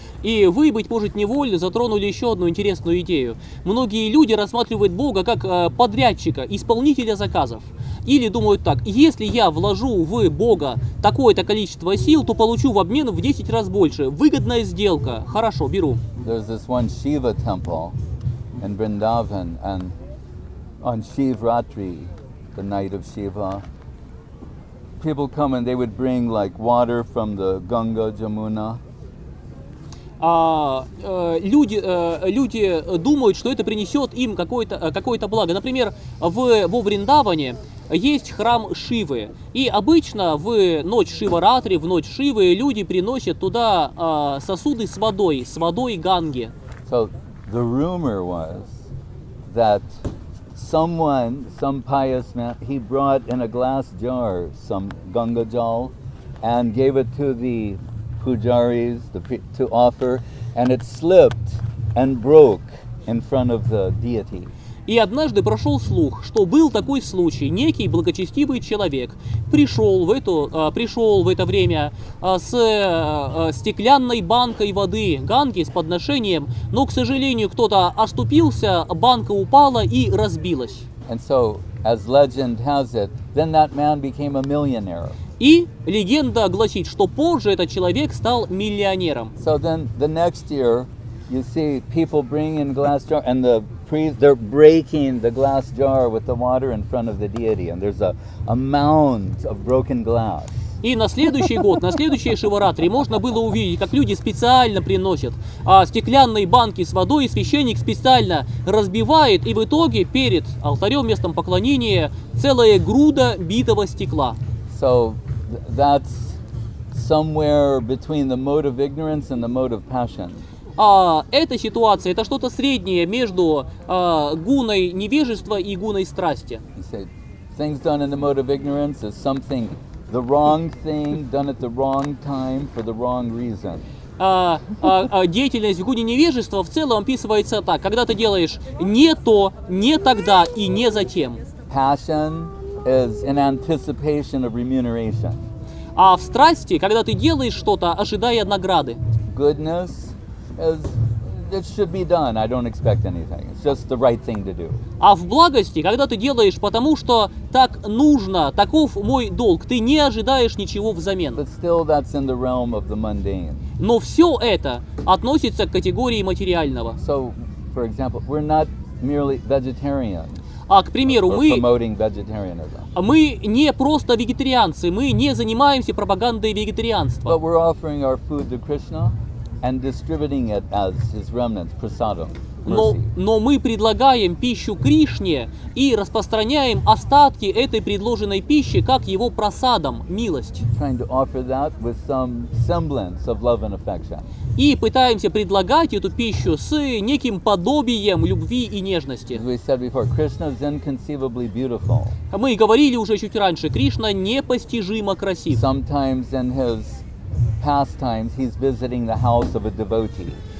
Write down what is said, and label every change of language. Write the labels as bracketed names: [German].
[Russian] И вы, быть может, невольно затронули еще одну интересную идею. Многие люди рассматривают Бога как подрядчика, исполнителя заказов. Или думают так, если я вложу в Бога такое-то количество сил, то получу в обмен в 10 раз больше. Выгодная сделка. Хорошо, беру. [English] There's this one Shiva temple in Vrindavan, and on Shivratri, the night of Shiva, people come and they would bring like water from the Ganga, Jamuna. [Russian] Люди думают, что это принесет им какое-то благо. Например, во Вриндаване есть храм Шивы, и обычно в ночь Шиваратри, в ночь Шивы, люди приносят туда сосуды с водой Ганги. [English] So the rumor was that someone, some pious man, he brought in a glass jar some Ganga Jal and gave it to the pujaris to offer, and it slipped and broke in front of the deity. [Russian] И однажды прошел слух, что был такой случай. Некий благочестивый человек пришел в это время с стеклянной банкой воды Ганги с подношением, но, к сожалению, кто-то оступился, банка упала и разбилась. [English] And so, as legend has it, then that man became a millionaire. [Russian] И легенда гласит, что позже этот человек стал миллионером. [English] So then the next year, you see people bring in glass jar and the they're breaking the glass jar with the water in front of the deity, and there's a mound of broken glass. [Russian] И на следующий год, на следующей Шиваратри, можно было увидеть, как люди специально приносят стеклянные банки с водой, и священник специально разбивает, и в итоге перед алтарем, местом поклонения, целая груда битого стекла. [English] So that's somewhere between the mode of ignorance and the mode of passion. [Russian] Эта ситуация, это что-то среднее между гуной невежества и гуной страсти. [English] Things done in the mode of ignorance is something, the wrong thing done at the wrong time for the wrong reason. [Russian] Деятельность в гуне невежества в целом описывается так, когда ты делаешь не то, не тогда и не затем. [English] Passion is in anticipation of remuneration. [Russian] А в страсти, когда ты делаешь что-то, ожидая награды. [English] Goodness is it should be done. I don't expect anything. It's just the right thing to do. [Russian] А в благости, когда ты делаешь, потому что так нужно, таков мой долг, ты не ожидаешь ничего взамен. [English] But still, that's in the realm of the mundane. [Russian] Но все это относится к категории материального. [English] So, for example, we're not merely vegetarians. [Russian] А, к примеру, мы не просто вегетарианцы, мы не занимаемся пропагандой вегетарианства. [English] But we're offering our food to Krishna and distributing it as his remnants, prasadam. [Russian] Но мы предлагаем пищу Кришне и распространяем остатки этой предложенной пищи как его прасадам, милость. [English] Trying to offer that with some semblance of love and affection. [Russian] И пытаемся предлагать эту пищу с неким подобием любви и нежности. [English] As we said before, Krishna is inconceivably beautiful. [Russian] Мы говорили уже чуть раньше, Кришна непостижимо красив. [English] Sometimes in his pastimes he's visiting the house of a devotee.